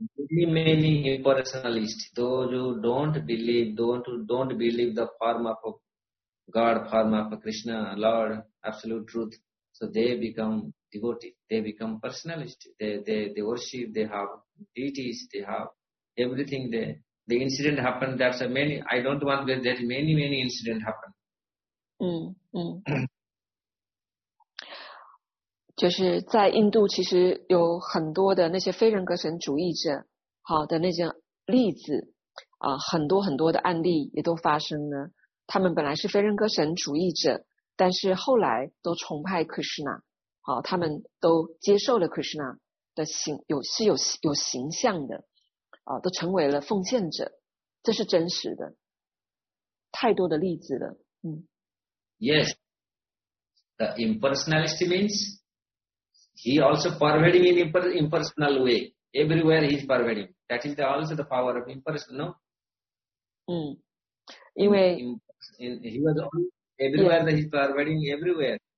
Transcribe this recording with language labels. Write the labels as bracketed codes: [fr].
[en] Many, many impersonalists, those who don't believe the form of God, form of Krishna, Lord, absolute truth. So they become devotees. They become personalists. They worship. They have deities. They have everything. The incident happened, that's a many, I don't want that there is many, many incident happen. [zh] 就是在印度其实有很多的那些非人格神主义者, 好的那些例子, 很多很多的案例也都发生了, 他们本来是非人格神主义者, 但是后来都崇拜Krishna, 好, 他们都接受了Krishna的形, 有形象的, 都成为了奉献者, 这是真实的, 太多的例子了, [en] Yes, the impersonalist means he also pervading in impersonal way. Everywhere he is pervading. That is also the power of impersonal, no? [zh] 因为, [en] he was on everywhere, he is pervading everywhere.